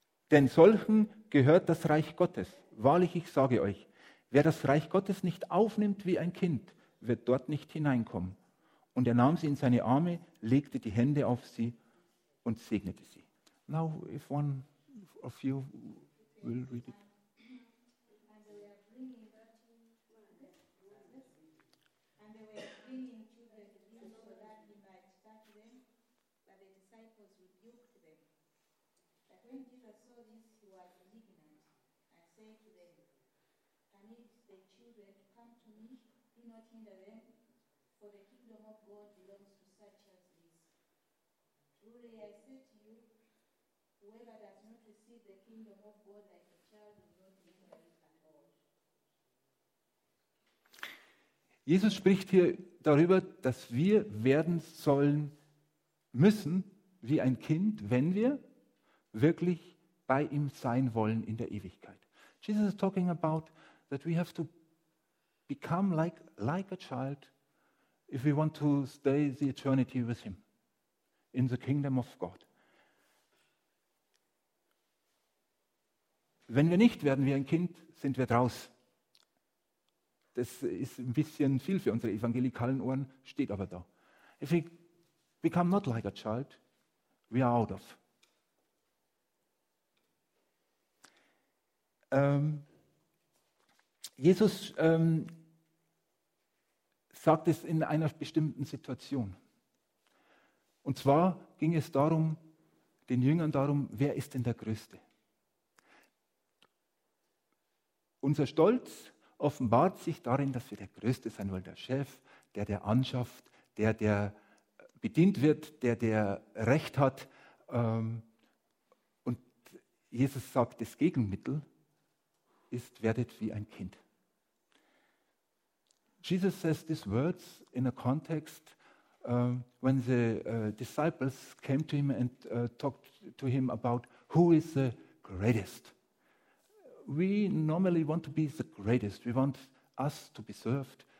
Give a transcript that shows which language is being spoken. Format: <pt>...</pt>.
<de>Denn solchen gehört das Reich Gottes. Wahrlich, ich sage euch, wer das Reich Gottes nicht aufnimmt wie ein Kind, wird dort nicht hineinkommen. Und er nahm sie in seine Arme, legte die Hände auf sie und segnete sie.</de> <en>Now, if one of you will read it.</en> <de>Jesus spricht hier darüber, dass wir werden sollen müssen wie ein Kind, wenn wir wirklich bei ihm sein wollen in der Ewigkeit.</de> <en>Jesus is talking about that we have to become like a child if we want to stay the eternity with him in the kingdom of God.</en> <de>Wenn wir nicht werden wie ein Kind, sind wir draus. Das ist ein bisschen viel für unsere evangelikalen Ohren, steht aber da.</de> <en>If we become not like a child, we are out of.</en> <de>Jesus sagt es in einer bestimmten Situation. Und zwar ging es darum, den Jüngern darum, wer ist denn der Größte? Unser Stolz offenbart sich darin, dass wir der Größte sein wollen, der Chef, der anschafft, der bedient wird, der Recht hat. Und Jesus sagt, das Gegenmittel ist, werdet wie ein Kind.</de> <en>Jesus says these words in a context when the disciples came to him and talked to him about who is the greatest. We normally want to be the greatest. We want us to be served.</en>